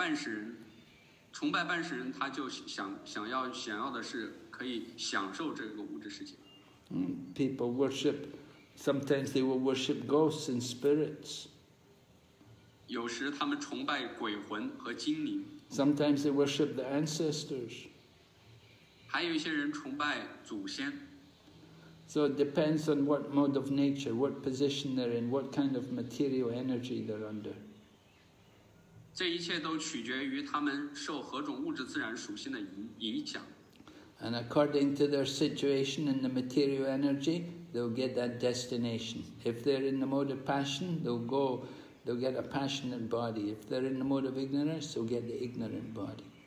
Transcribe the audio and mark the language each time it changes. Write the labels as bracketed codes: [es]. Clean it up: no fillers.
[zh] 因此有人崇拜半世人, 他就想要的是可以享受这个物质世界。 [en] People worship, sometimes they will worship ghosts and spirits. [zh] 有时他们崇拜鬼魂和精灵。 [en] Sometimes they worship the ancestors. [zh] 还有一些人崇拜祖先。 [en] So it depends on what mode of nature, what position they're in, what kind of material energy they're under. [zh] 这一切都取决于他们受何种物质自然属性的影响。 [en] And according to their situation in the material energy, they'll get that destination. If they're in the mode of passion, they'll go, they'll get a passionate body. If they're in the mode of ignorance, they'll get the ignorant body.